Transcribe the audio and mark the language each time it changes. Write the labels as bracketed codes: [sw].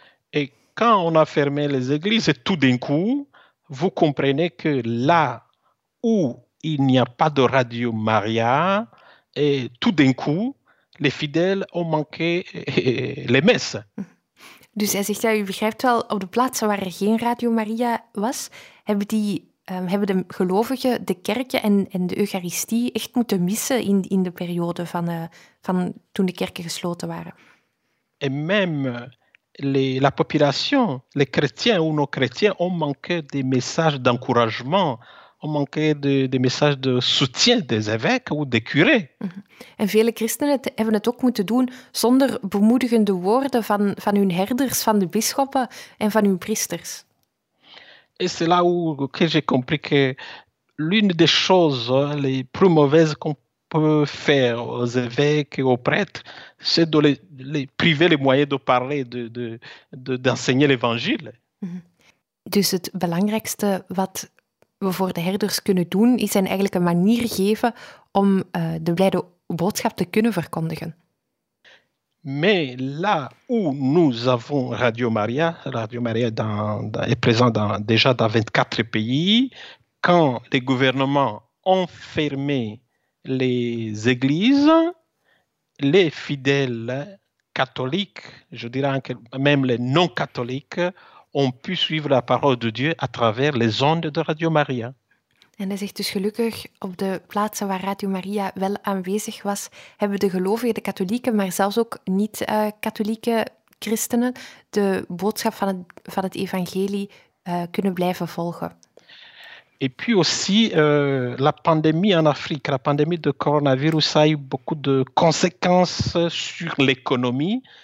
[fr] Et quand on a fermé les églises, tout d'un coup, vous comprenez que là où il n'y a pas de Radio Maria, et tout d'un coup, les fidèles ont manqué les messes. [nl] Dus hij zegt, ja, u begrijpt wel, op de plaatsen waar er geen Radio Maria was, hebben de gelovigen de kerken en de eucharistie echt moeten missen in de periode van toen de kerken gesloten waren. [fr] En même la population, les chrétiens ou nos chrétiens, ont manqué des messages d'encouragement, manquait des messages de soutien des évêques ou des curés. [nl] En vele christenen hebben het ook moeten doen zonder bemoedigende woorden van hun herders, van de bisschoppen en van hun priesters. [fr] Et c'est là où que j'ai compris que l'une des choses les plus mauvaises qu'on peut faire aux évêques et aux prêtres, c'est de les priver les moyens de parler, d'enseigner l'évangile. [nl] Dus het belangrijkste wat we voor de herders kunnen doen, is hen eigenlijk een manier geven om de blijde boodschap te kunnen verkondigen. [fr] Mais là où nous avons Radio Maria est présent déjà dans 24 pays, quand les gouvernements ont fermé les églises, les fidèles catholiques, je dirais même les non-catholiques, ont pu suivre la parole de Dieu à travers les ondes de Radio Maria. [nl] En hij zegt dus gelukkig, op de plaatsen waar Radio Maria wel aanwezig was, hebben de gelovigen, de katholieken, maar zelfs ook niet-katholieke christenen, de boodschap van het evangelie kunnen blijven volgen. [fr] Et puis aussi, la pandémie en Afrique, la pandémie de coronavirus, a eu beaucoup de conséquences sur l'économie.